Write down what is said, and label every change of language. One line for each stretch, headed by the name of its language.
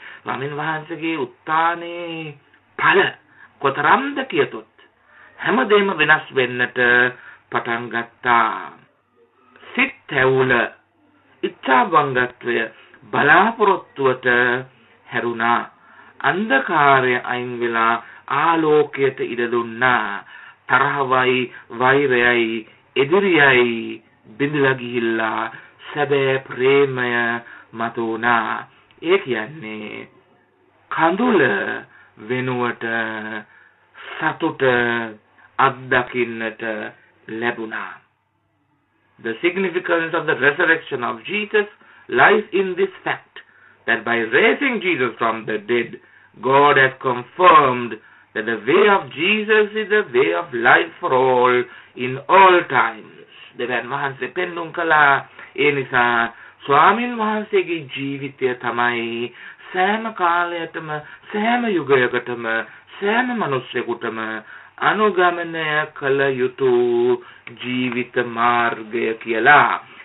Sinhala: ස්වාමීන් වහන්සේගේ උත්ථානයේ ඵල කොතරම්ද කියතොත් හැමදේම වෙනස් වෙන්නට පටන් ගත්තා. සිත් ඇවුල ඉච්ඡාබංගත්වය බලාපොරොත්තුවට හැරුණා. අන්ධකාරය අයින් වෙලා ආලෝකයට ඉඩ දුන්නා. තරහවයි වෛරයයි එදිරියයි බිඳලා ගිහිල්ලා සැබෑ ප්‍රේමය මතුණා. ඒ කියන්නේ කඳුල වෙනුවට සතුට අත්දකින්නට ලැබුණා.
English: The significance of the resurrection of Jesus lies in this fact that by raising Jesus from the dead, God has confirmed that the way of Jesus is the way of life for all in all times.
Sinhala: දෙවියන් වහන්සේ පෙන්නුම් කළා. ඒ නිසා ස්වාමින් වහන්සේගේ ජීවිතය තමයි සෑම කාලයකටම සෑම යුගයකටම සෑම මිනිස්සුෙකුටම අනුගමනය කළ යුතු ජීවිත මාර්ගය කියලා.